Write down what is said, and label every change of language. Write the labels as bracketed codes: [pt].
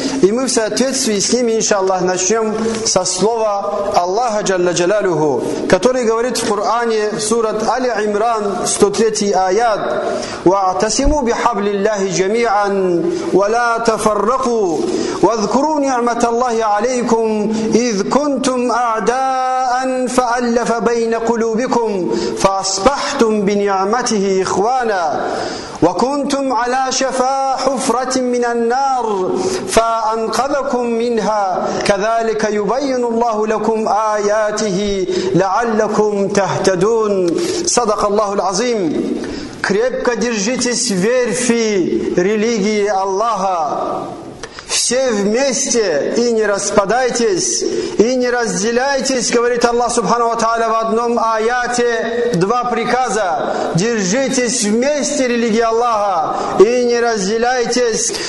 [ru] И мы в соответствии с ними, иншаллах, начнем со слова Аллаха, джалла джалалюху, который говорит в Коране, сурат Али Имран, 103 аят, [ar] «Ва'тасиму бихабли Аллахи джами'ан, ва ла тафарраку, ва дзкуру ни'мат Аллахи алейкум, из кунтум а'даан, фа'аллафа байна кулубикум». فأصبحتم بنعمته إخوانا وكنتم على شفا حفرة من النار فأنقذكم منها كذلك يبين الله لكم آياته لعلكم تهتدون صدق الله العظيم. [ru] Крепко держитесь верфи религии Аллаха. Все вместе и не распадайтесь, и не разделяйтесь, говорит Аллах Субхану ва Тааля в одном аяте, два приказа. Держитесь вместе религии Аллаха и не разделяйтесь.